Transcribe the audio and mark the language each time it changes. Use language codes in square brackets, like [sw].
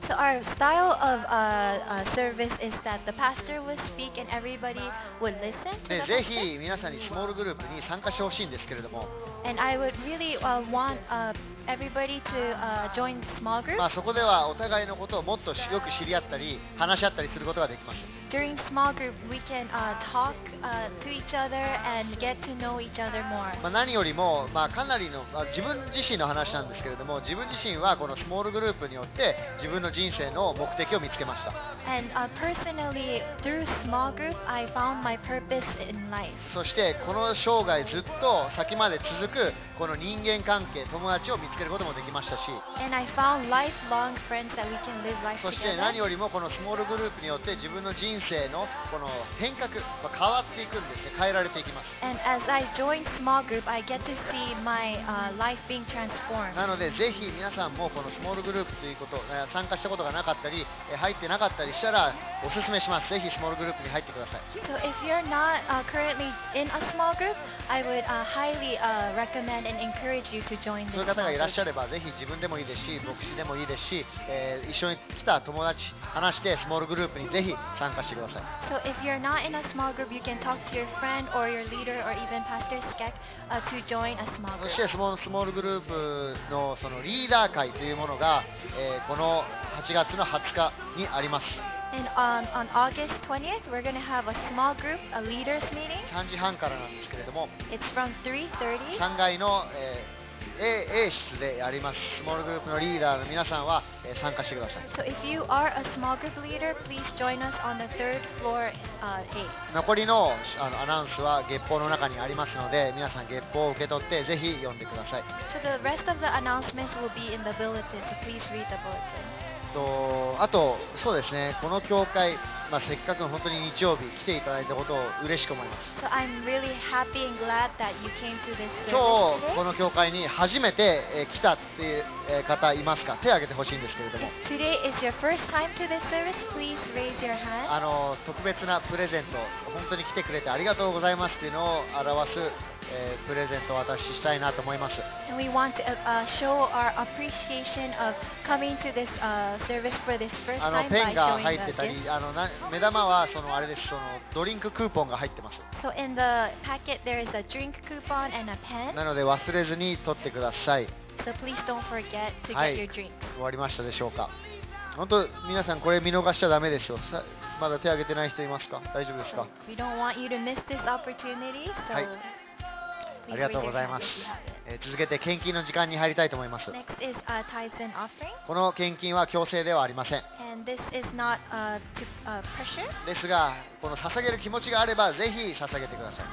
[en] So our style of service is that the pastor would speak and everybody would listen. [ja] ね、ぜひ皆さんにスモールグループに参加してほしいんですけれども。 [en] And I would really want everybody to join small group. [ja] まあそこではお互いのことをもっとよく知り合ったり話し合ったりすることができます。 [en] During small group, we can talk to each other and get to know each other more. [ja] まあ何よりもまあかなりの、まあ、自分自身の話なんですけれども、自分自身はこのスモールグループによって自分の人生の目的を見つけました。 [en] And personally, through small group, I found my purpose in life. [ja] そしてこの生涯ずっと先まで続くこの人間関係、友達を見つけることもできましたし。 [en] And I found lifelong friends that we can live life together. [ja] そして何よりもこのスモールグループによって自分の人生のこの変革、まあ、変わっていくんですね、変えられていきます。 [en] And as I join small group, I get to see my life being transformed. [ja] なのでぜひ皆さんもこのスモールグループということ、参加したことがなかったり、入ってなかったりしたらおすすめします。ぜひスモールグループに入ってください。 [en] So if you're not currently in a small group, I would highly recommend and encourage you to join. [ja] そういう方がいらっしゃればぜひ自分でもいいですし、牧師でもいいですし、一緒に来た友達話してスモールグループにぜひ参加してください。 [en] So if you're not in a small group, you can talk to your friend or your leader or even Pastor Skek to join a small group. [ja] そしてスモールグループのそのリーダー会というものが、この8月の20日にあります。 [en] And on August 20th, we're going to have a small group, a leaders meeting. [ja] 3時半からなんですけれども。 [en] It's from 3:30. [ja] 3階の、A 室でやります。スモールグループのリーダーの皆さんは、参加してください。 [en] So if you are a small group leader, please join us on the third floor, A. [ja] 残りの、アナウンスは月報の中にありますので、皆さん月報を受け取ってぜひ読んでください。 [en] So the rest of the announcements will be in the bulletin, so please read the bulletin. [ja] あとそうですね、この教会、まあ、せっかく本当に日曜日来ていただいたことを嬉しく思います。 [en] So I'm really happy and glad that you came to this service. [ja] 今日この教会に初めて来たっていう方いますか？手を挙げてほしいんですけれども。 [en] Today is your first time to this service. Please raise your hand. [ja] 特別なプレゼント、本当に来てくれてありがとうございますっていうのを表すプレゼントを渡ししたいなと思います。 [en] And we want to show our appreciation of coming to this service for this first time. [ja] ペンが入ってたり、目玉はそのあれです、そのドリンククーポンが入ってます。 [en] So in the packet there is a drink coupon and a pen. [ja] なので忘れずに取ってください。 [en] So please don't forget to get your drink. [ja] 終わりましたでしょうか？本当皆さんこれ見逃しちゃダメでしょう。まだ手挙げてない人いますか？大丈夫ですか？ [en] So, we don't want you to miss this opportunity. So、はい、 [ja] ありがとうございます。続けて献金の時間に入りたいと思います。 [en] Next is a tithes and offering. [ja] この献金は強制ではありません。 [en] And this is not a pressure. [ja] ですが、この捧げる気持ちがあればぜひ捧げてください。